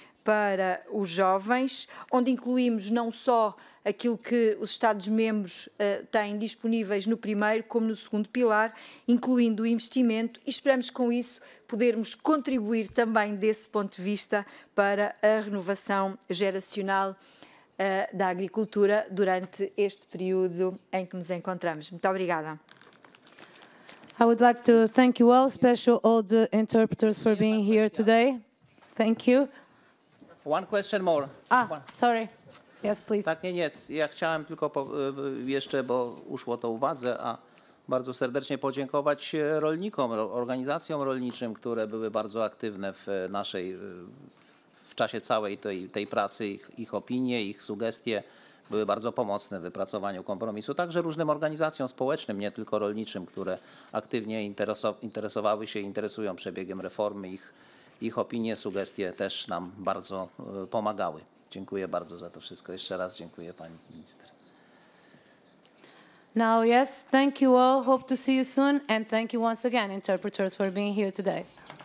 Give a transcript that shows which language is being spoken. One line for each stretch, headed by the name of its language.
Portuguese: para os jovens, onde incluímos não só aquilo que os Estados-membros têm disponíveis no primeiro, como no segundo pilar, incluindo o investimento, e esperamos com isso podermos contribuir também desse ponto de vista para a renovação geracional da agricultura durante este período em que nos encontramos. Muito obrigada.
English: I would like to thank you all, especially all the interpreters for being here today. Thank you. One question more. Sorry. Yes, please.
Polish: Tak, nie. Ja chciałem tylko jeszcze, bo uszło to uwadze, a bardzo serdecznie podziękować rolnikom, organizacjom rolniczym, które były bardzo aktywne w czasie całej tej pracy. Ich opinie, ich sugestie były bardzo pomocne w wypracowaniu kompromisu. Także różnym organizacjom społecznym, nie tylko rolniczym, które aktywnie interesowały się i interesują przebiegiem reformy. Ich opinie, sugestie też nam bardzo pomagały. Dziękuję bardzo za to wszystko. Jeszcze raz dziękuję pani minister.
English: Now, yes, thank you all. Hope to see you soon. And thank you once again, interpreters, for being here today.